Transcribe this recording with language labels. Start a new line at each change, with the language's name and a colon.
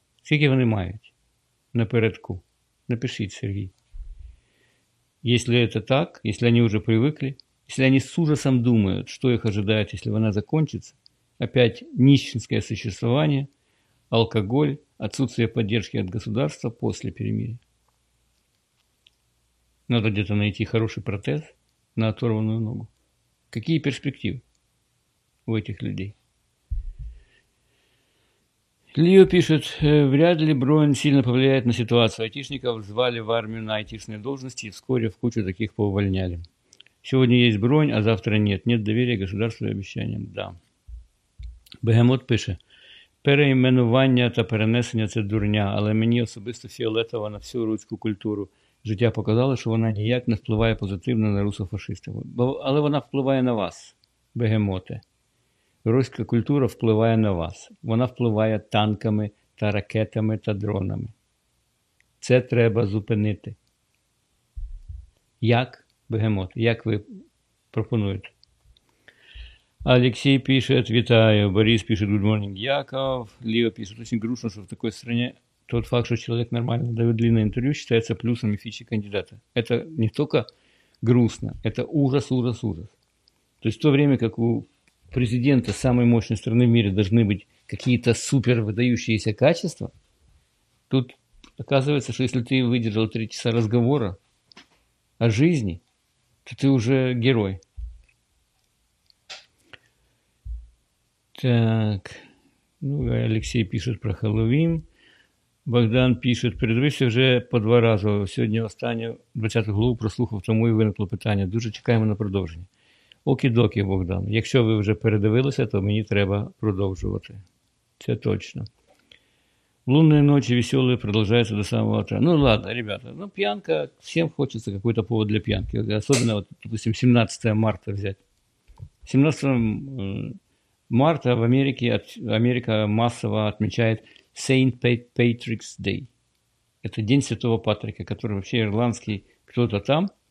Ukrainian: Скільки вони мають напередку? Напишіть, Сергій. Якщо це так, якщо вони вже привикли, якщо вони з ужасом думають, що їх чекає, якщо вона закінчиться, опять нищенське существування, алкоголь, відсутствие підтримки від государства після перемир'я.
Russian: Надо где-то найти хороший протез на оторванную ногу. Какие перспективы у этих людей? Лио пишет, вряд ли бронь сильно повлияет на ситуацию. Айтишников звали в армию на айтишные должности и вскоре в кучу таких поувольняли. Сегодня есть бронь, а завтра нет. Нет доверия государству и обещаниям. Да. Бегемот пишет,
Ukrainian: переименування та перенесення – це дурня, але мені особисто фіолетово на всю руську культуру. Життя показало, що вона ніяк не впливає позитивно на русофашистів. Але вона впливає на вас, бегемоте. Руська культура впливає на вас. Вона впливає танками та ракетами та дронами. Це треба зупинити. Як, бегемоте, як ви пропонуєте?
Russian: Алексей пишет,
Ukrainian: вітаю.
Russian: Борис пишет,
English: good morning,
Russian: Яков. Лео пишет, очень грустно, что в такой стране тот факт, что человек нормально дает длинное интервью, считается плюсом и фичей кандидата. Это не только грустно, это ужас, ужас, ужас. То есть в то время, как у президента самой мощной страны в мире должны быть какие-то супер выдающиеся качества, тут оказывается, что если ты выдержал 3 часа разговора о жизни, то ты уже герой. Так, ну, Алексей пишет про Хэллоуин. Богдан пишет,
Ukrainian: передивився вже по 2 рази. Сьогодні останнє, 20-го главу прослухав, тому і виникло питання. Дуже чекаємо на продовження. Окі-докі, Богдан. Якщо ви вже передивилися, то мені треба продовжувати. Це точно. Лунні ночі веселі продовжуються до самого утра. Ну, ладно, ребята, ну, п'янка, всім хочеться
Russian: какой-то повод для
Ukrainian: п'янки. Особливо, от,
Russian: допустим, 17 марта взяти. 17 марта в Америке, Америка массово отмечает Saint Patrick's Day. Это День Святого Патрика, который вообще ирландский кто-то там.